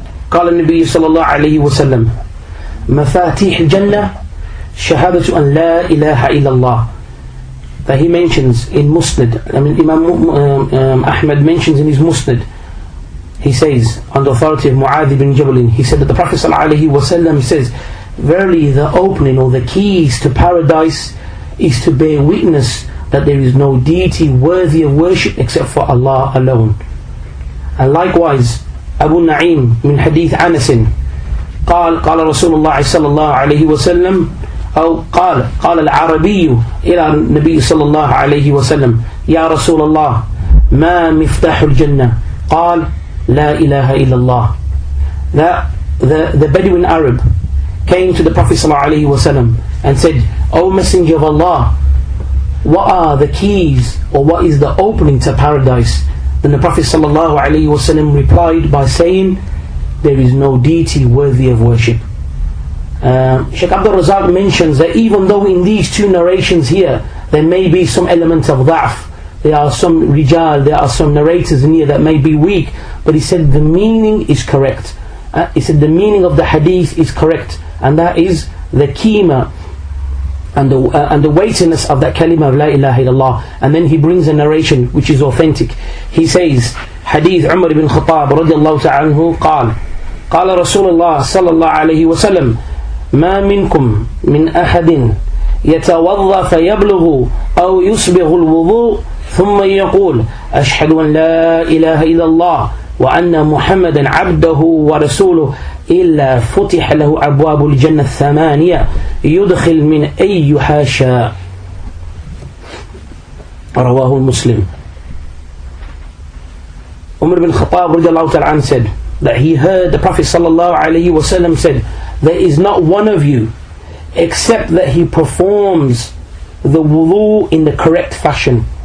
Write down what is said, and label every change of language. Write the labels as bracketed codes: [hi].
[ar] قال النبي صلى الله عليه وسلم مفاتيح الجنة شهادة أن لا إله إلا الله. [en] That he mentions in Musnad, I mean Imam Ahmad mentions in his Musnad, he says under authority of Mu'adh ibn Jabal, he said that the Prophet صلى الله عليه وسلم says, verily the opening or the keys to paradise is to bear witness that there is no deity worthy of worship except for Allah alone. [ar] And likewise أبو النعيم من حديث أنس قال قال رسول الله صلى الله عليه وسلم أو قال قال العربي إلى النبي صلى الله عليه وسلم يا رسول الله ما مفتاح الجنة قال لا إله إلا الله. [en] That the Bedouin Arab came to the Prophet صلى الله عليه وسلم and said, O Messenger of Allah, what are the keys or what is the opening to paradise? Then the Prophet sallallahu alaihi wasallam replied by saying, there is no deity worthy of worship. Sheikh Abdul Razak mentions that even though in these two narrations here, then maybe some element of ضعف. There are some رجال, there are some narrators in here that may be weak. But he said the meaning is correct. He said the meaning of the hadith is correct. And that is the qima and the weightiness of that kalima of La ilaha illallah. And then he brings a narration which is authentic. [ar] He says, hadith Umar ibn Khattab radiallahu ta'ala anhu, قال رسول الله صلى الله عليه وسلم ما منكم من أحد يتوضى فيبلغ أو يصبغ الوضوء ثم يقول أشهد أن لا إله إلا الله وأن محمدا عبده ورسوله إلا فتح له أبواب الجنة الثمانية يدخل من أي حاشا رواه المسلم. [en] عمر بن الخطاب رضي الله تعالى عنه said that he heard the Prophet sallallahu alaihi wasallam said, there is not one of you except that he performs the wudu in the correct fashion.